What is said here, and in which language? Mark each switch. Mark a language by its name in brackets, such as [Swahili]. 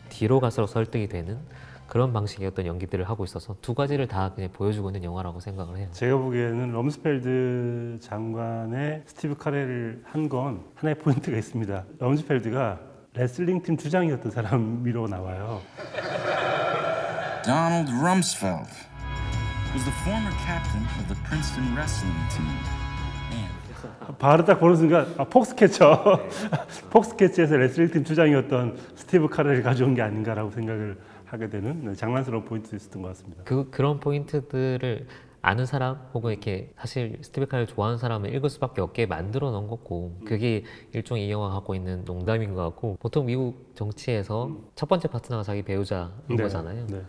[Korean] 뒤로 갈수록 설득이 되는 그런 방식의 어떤 연기들을 하고 있어서 두 가지를 다 그냥 보여주고 있는 영화라고 생각을 해요. 제가 보기에는 럼스펠드 장관의 스티브 카레를 한 건 하나의 포인트가 있습니다. 럼스펠드가 레슬링 팀 주장이었던 사람으로 나와요. [English] Donald Rumsfeld was the former captain of the Princeton wrestling team. And [Korean] 바로 딱 보는 순간 폭스캐쳐 폭스캐쳐에서 레슬링 팀 주장이었던 스티브 카레를 가져온 게 아닌가라고 생각을 하게 되는 장난스러운 포인트였던 것 같습니다. 그런 포인트들을 아는 사람 혹은 이렇게 사실 스티브 카렐을 좋아하는 사람을 읽을 수밖에 없게 만들어 놓은 거고 그게 일종의 이 영화가 갖고 있는 농담인 것 같고 보통 미국 정치에서 첫 번째 파트너가 자기 배우자인 네, 거잖아요. 네.